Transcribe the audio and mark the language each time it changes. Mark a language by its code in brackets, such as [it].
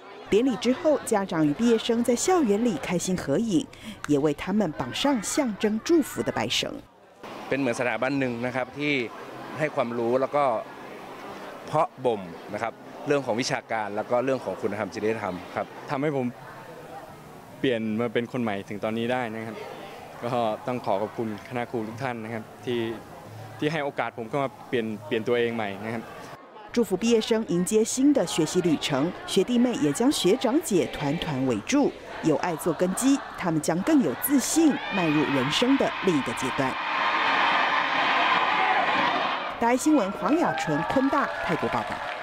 [zh] 典礼之后，家长与毕业生在校园里开心合影，也为他们绑上象征祝福的白绳。 [th] เป็นเหมือนสถาบันหนึ่งนะครับที่ให้ความรู้แล้วก็เพาะบ่มนะครับเรื่องของวิชาการแล้วก็เรื่องของคุณธรรมจริยธรรมครับ ทำให้ผมเปลี่ยนมาเป็นคนใหม่ถึงตอนนี้ได้นะครับก็ต้องขอขอบคุณคณะครูทุกท่านนะครับที่ให้โอกาสผมเข้ามาเปลี่ยนตัวเองใหม่นะครับ [zh] 祝福毕业生迎接新的学习旅程，学弟妹也将学长姐团团围住，有爱做根基，他们将更有自信，迈入人生的另一个阶段。大爱新闻黄雅纯、昆大泰国报道。